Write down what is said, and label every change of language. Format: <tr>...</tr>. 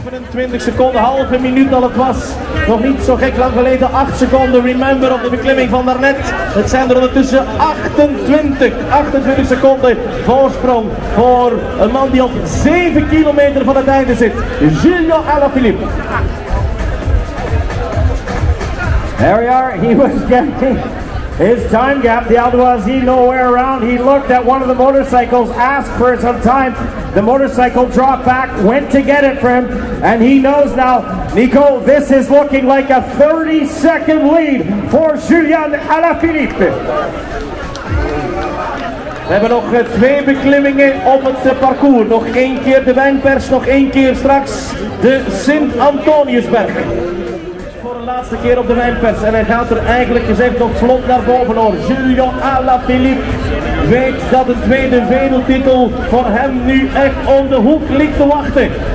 <nl>20 seconden, halve minuut al het was. Nog niet zo gek lang geleden, 8 seconden. Remember op de beklimming van daarnet. Het zijn er ondertussen 28 seconden voorsprong voor een man die op 7 kilometer van het einde zit. Julio Alaphilippe.</nl> <en>There we are, he was getting his time gap. The Aldoazi nowhere around. He looked at one of the motorcycles, asked for some time. The motorcycle dropped back, went to get it for him, and he knows now, Nico, this is looking like a 30-second lead for Julian Alaphilippe.</en> <nl>We hebben nog twee beklimmingen op het parcours. Nog één keer de Wijnpers, nog één keer straks de Sint-Antoniusberg. Voor de laatste keer op de Wijnpers en hij gaat er eigenlijk gezegd nog vlot naar boven hoor. Julian Alaphilippe weet dat de tweede wereldtitel voor hem nu echt om de hoek ligt te wachten.</nl>